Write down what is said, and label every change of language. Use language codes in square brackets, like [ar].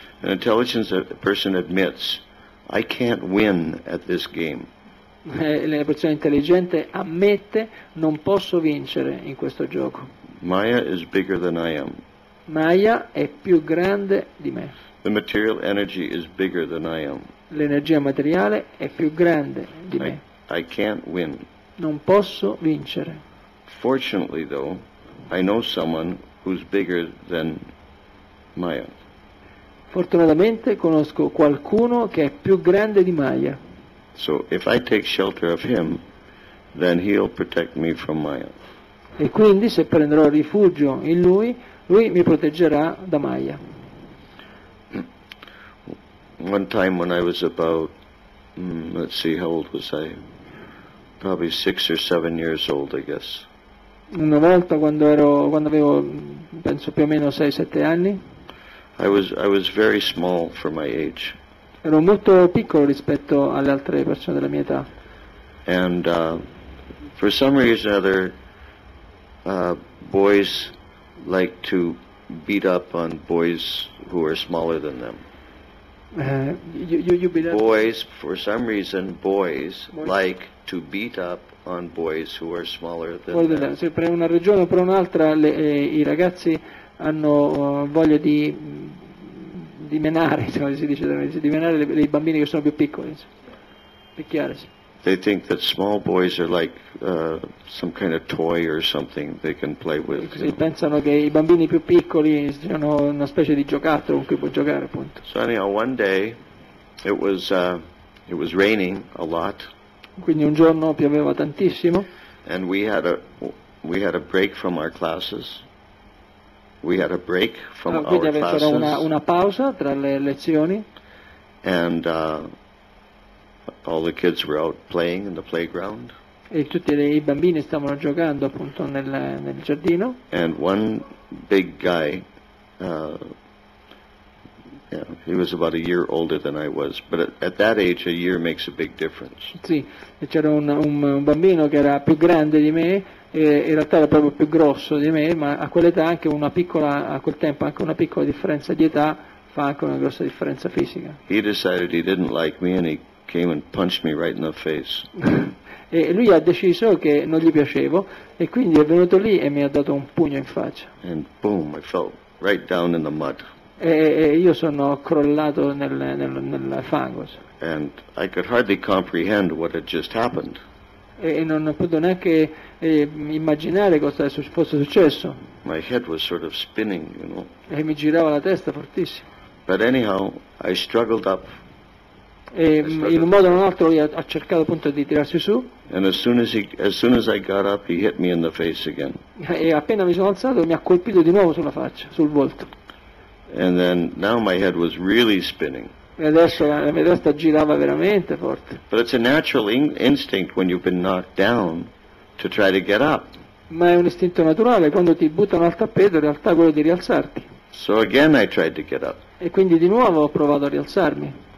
[en] An intelligent person admits, I can't win at this game. [it] La persona intelligente ammette, non posso vincere in questo gioco. [en] Maya is bigger than I am. [it] Maya è più grande di me. [en] The material energy is bigger than I am. [it] L'energia materiale è più grande di me. [en] I can't win. [it] Non posso vincere. [en] Fortunately, though, I know someone who's bigger than Maya. [it] Fortunatamente conosco qualcuno che è più grande di Maya. [en] So if I take shelter of him, then he'll protect me from Maya. [it] E quindi se prenderò rifugio in lui, lui mi proteggerà da Maya. [en] one time when I was about, let's see, how old was I? Probably 6 or 7 years old, I guess. [it] Una volta quando ero, quando avevo, penso più o meno 6-7 anni. [en] I was very small for my age. [it] Ero molto piccolo rispetto alle altre persone della mia età. [en] And for some reason or other, boys like to beat up on boys who are smaller than them. You beat up. Boys, for some reason, boys like to beat up on boys who are smaller than them. [it] Se per una ragione o per un'altra i ragazzi hanno voglia di menare, come si dice, di menare i bambini che sono più piccoli, picchiare. [en] They think that small boys are like some kind of toy or something they can play with. [it] Si pensano che i bambini più piccoli siano una specie di giocattolo con cui può giocare, appunto. [en] So anyhow, one day it was raining a lot. [it] Quindi un giorno pioveva tantissimo. [en] And we had a break from our classes. We had a break from our classes. [it] Quindi c'era una pausa tra le lezioni. [en] And all the kids were out playing in the playground. [it] E tutti i bambini stavano giocando appunto nel giardino. [en] And one big guy, he was about a year older than I was, but at that age a year makes a big difference. [it] Sì, e c'era un bambino che era più grande di me, e in realtà era proprio più grosso di me, ma a quell'età anche una piccola, a quel tempo anche una piccola differenza di età fa anche una grossa differenza fisica. [en] He decided he didn't like me and he came and punched me right in the face. [it] E lui ha deciso che non gli piacevo e quindi è venuto lì e mi ha dato un pugno in faccia. [en] And boom, I fell right down in the mud. [it] E io sono crollato nel fango. [en] And I could hardly comprehend what had just happened. [it] E non ho potuto neanche immaginare cosa fosse successo. [en] My head was sort of spinning, you know. [it] E mi girava la testa fortissimo. [en] But anyhow, I struggled up. [it] E in un modo o un altro lui ha cercato appunto di tirarsi su. [en] And as soon as I got up, he hit me in the face again. [it] E appena mi sono alzato mi ha colpito di nuovo sulla faccia, sul volto. [en] And then now my head was really spinning. [it] E adesso la mia testa girava veramente forte. [en] But it's a natural instinct when you've been knocked down to try to get up. [it] Ma è un istinto naturale quando ti buttano al tappeto, in realtà quello di rialzarti. [en] So again I tried to get up. [it] E quindi di nuovo ho provato a rialzarmi.